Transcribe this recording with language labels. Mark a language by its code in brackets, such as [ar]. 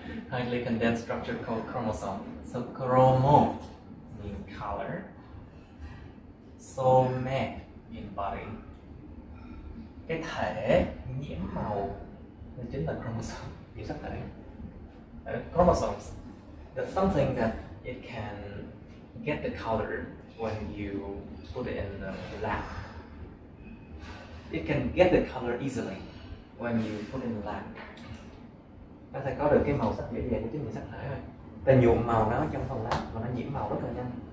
[en] Highly condensed structure called chromosome. So chromo means color. Some in body. [vi] Cái thể nhiễm màu. Nó chính là chromosome, nhiễm sắc thể. [en] Chromosomes, that's something that it can get the color when you put it in the lab. It can get the color easily when you put it in the lab. [vi] Nó sẽ có được cái màu sắc dễ dàng chính nhiễm sắc thể thôi. Ta nhuộm màu nó trong phòng lab và nó nhiễm màu rất là nhanh.